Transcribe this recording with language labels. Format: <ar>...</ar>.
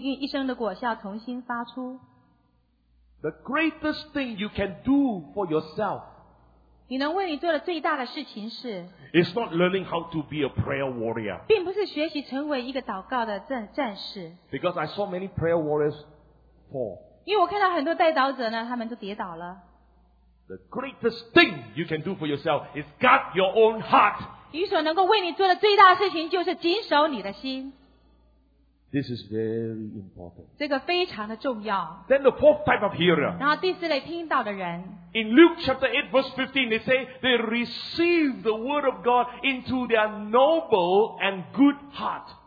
<zh>他说呢,你要谨守你的心,一生的果效重新发出。</zh> <en>The greatest thing you can do for yourself is not learning how to be a prayer warrior. Because I saw many prayer warriors fall.</en> <zh>因为我看到很多代祷者呢，他们都跌倒了。</zh> <en>The greatest thing you can do for yourself is guard your own heart.</en> <zh>你所能够为你做的最大事情就是谨守你的心。</zh> <en>This is very important.</en> <zh>这个非常的重要。</zh> <en>Then the fourth type of hearer.</en> <zh>然后第四类听到的人。</zh> <en>In Luke chapter 8 verse 15, they say they receive the word of God into their noble and good heart.</en>